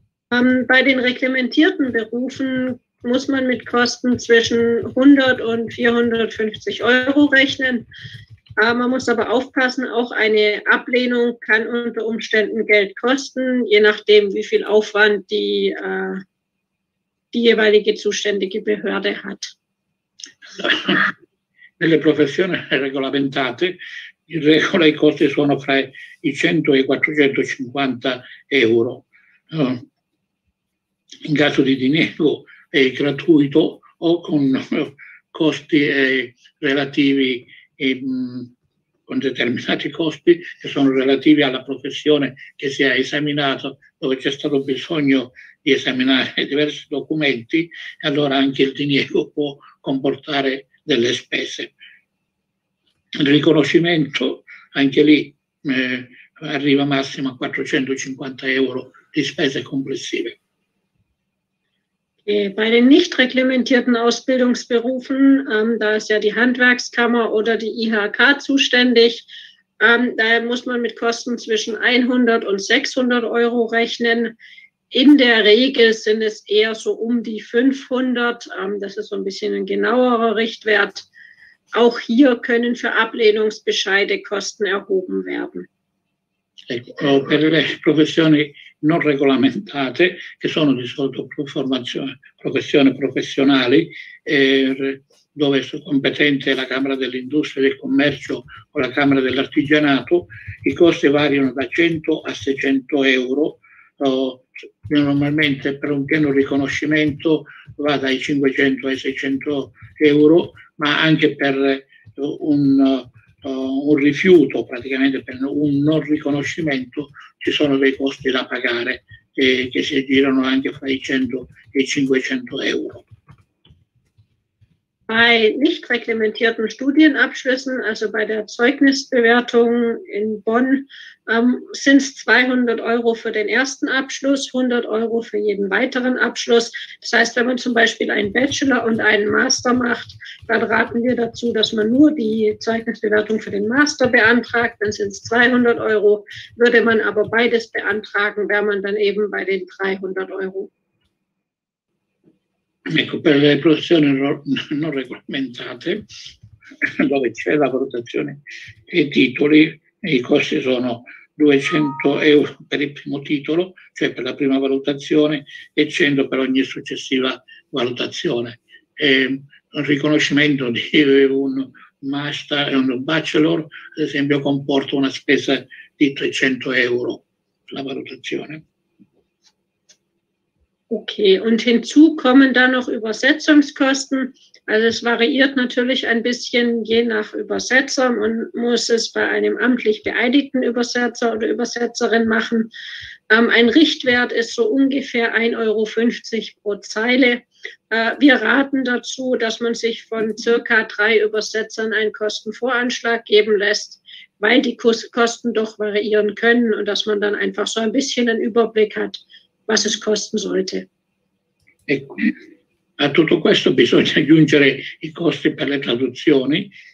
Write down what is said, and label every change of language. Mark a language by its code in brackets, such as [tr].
[de] Bei den reglementierten Berufen muss man mit Kosten zwischen 100 und 450 Euro rechnen. Man muss aber aufpassen, auch eine Ablehnung kann unter Umständen Geld kosten, je nachdem, wie viel Aufwand die jeweilige zuständige Behörde hat. [it] Nelle professioni regolamentate, in regola i costi sono fra i 100 e i 450 euro. In caso di diniego è gratuito o con costi relativi, con determinati costi che sono relativi alla professione che si è esaminato, dove c'è stato bisogno di esaminare diversi documenti, e allora anche il diniego può comportare delle spese. Il riconoscimento, anche lì, arriva massimo a 450 euro di spese complessive. [de] Bei den nicht reglementierten Ausbildungsberufen, da ist ja die Handwerkskammer oder die IHK zuständig, da muss man mit Kosten zwischen 100 und 600 Euro rechnen. In der Regel sind es eher so um die 500, das ist so ein bisschen ein genauerer Richtwert. Auch hier können für Ablehnungsbescheide Kosten erhoben werden. [it] Ecco, per le professioni non regolamentate, che sono di solito professioni professionali, dove è competente la Camera dell'Industria e del Commercio o la Camera dell'Artigianato, i costi variano da 100 a 600 euro. Normalmente per un pieno riconoscimento va dai 500 ai 600 euro, ma anche per un rifiuto, praticamente per un non riconoscimento, ci sono dei costi da pagare che si aggirano anche fra i 100 e i 500 euro. [de] Bei nicht reglementierten Studienabschlüssen, also bei der Zeugnisbewertung in Bonn, sind es 200 Euro für den ersten Abschluss, 100 Euro für jeden weiteren Abschluss. Das heißt, wenn man zum Beispiel einen Bachelor und einen Master macht, dann raten wir dazu, dass man nur die Zeugnisbewertung für den Master beantragt, dann sind es 200 Euro. Würde man aber beides beantragen, wäre man dann eben bei den 300 Euro. [it] Ecco, per le professioni non regolamentate, dove c'è la valutazione dei titoli, i costi sono 200 euro per il primo titolo, cioè per la prima valutazione, e 100 per ogni successiva valutazione. E il riconoscimento di un master e un bachelor, ad esempio, comporta una spesa di 300 euro per la valutazione. [de] Okay, und hinzu kommen dann noch Übersetzungskosten. Also es variiert natürlich ein bisschen je nach Übersetzer. Man muss es bei einem amtlich beeidigten Übersetzer oder Übersetzerin machen. Ein Richtwert ist so ungefähr 1,50 Euro pro Zeile. Wir raten dazu, dass man sich von circa 3 Übersetzern einen Kostenvoranschlag geben lässt, weil die Kosten doch variieren können und dass man dann einfach so ein bisschen einen Überblick hat, was es kosten sollte. [it] Ecco, a tutto questo bisogna aggiungere i costi per le traduzioni.